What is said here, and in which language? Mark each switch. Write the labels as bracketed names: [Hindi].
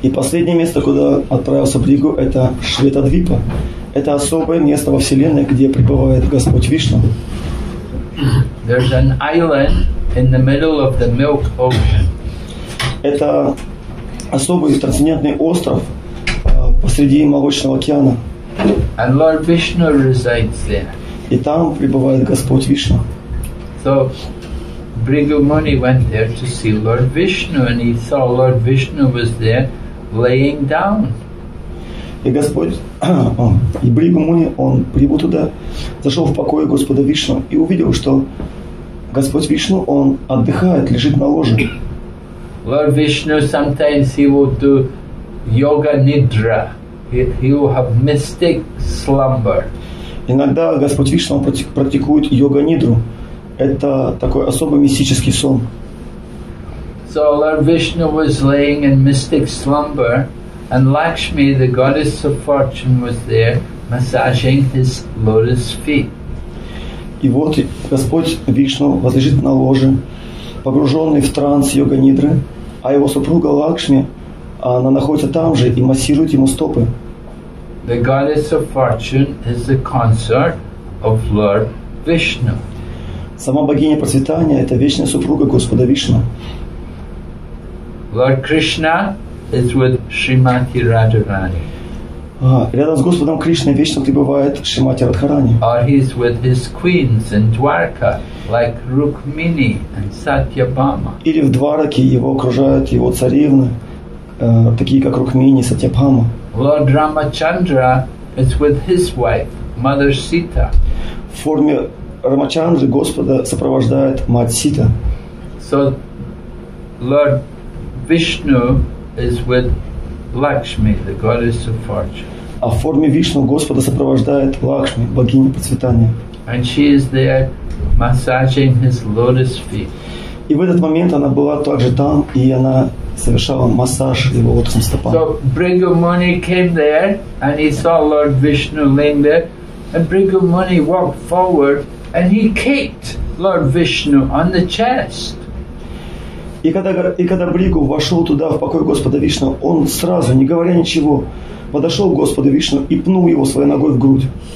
[Russian] И последнее место, куда отправился Бригу, это Шветадвипа. Это особое место во Вселенной, где пребывает Господь Вишну. [English] There's an island in the middle of the Milk Ocean. [Russian] Это особый трансцендентный остров посреди Молочного океана. [English] And Lord Vishnu resides there. [Russian] И там пребывает Господь Вишну. [English] So, Bhrigu Muni went there to see Lord Vishnu, and he saw Lord Vishnu was there. Laying down. [Russian] И Господь, и Бригу Муни, он прибыл туда, зашел в покой Господа Вишну и увидел, что Господь Вишну, он отдыхает, лежит на ложе. [English] Lord Vishnu sometimes he will do yoga nidra. He will have mystic slumber. [Russian] Иногда Господь Вишну практикует йога нидру. Это такой особый мистический сон. [English] So Lord Vishnu was laying in mystic slumber, and Lakshmi, the goddess of fortune, was there massaging his lotus feet. [Russian] И вот Господь Вишну возлежит на ложе, погруженный в транс йога нидры, а его супруга Лакшми, она находится там же и массирует ему стопы. [English] The goddess of fortune is the consort of Lord Vishnu. [Russian] Сама богиня процветания – это вечная супруга Господа Вишну. [English] Lord Krishna is with Srimati Radharani. [Russian] Рядом с Господом Кришной вечно пребывает Шримати Радхарани. [English] Or he is with his queens in Dwarka, like Rukmini and Satyabhama. [Russian] Или в Двараке его окружают его царевны, такие как Рукмини и Сатьябхама. [English] Lord Ramachandra is with his wife, Mother Sita. [Russian] В форме Рамачандры Господа сопровождает мать Сита. [English] So Lord Vishnu is with Lakshmi, the goddess of fortune. [Russian] А в форме Вишну Господа сопровождает Лакшми, богиня процветания. [English] And she is there massaging his lotus feet. [Russian] И в этот момент она была также там, и она совершала массаж его лотосным стопам. [English] So Bhrigu Muni came there, and he saw Lord Vishnu laying there, and Bhrigu Muni walked forward, and he kicked Lord Vishnu on the chest. [Russian] И когда Бригу вошел туда, в покой Господа Вишну, он сразу, не говоря ничего, подошел к Господу Вишну и пнул его своей ногой в грудь.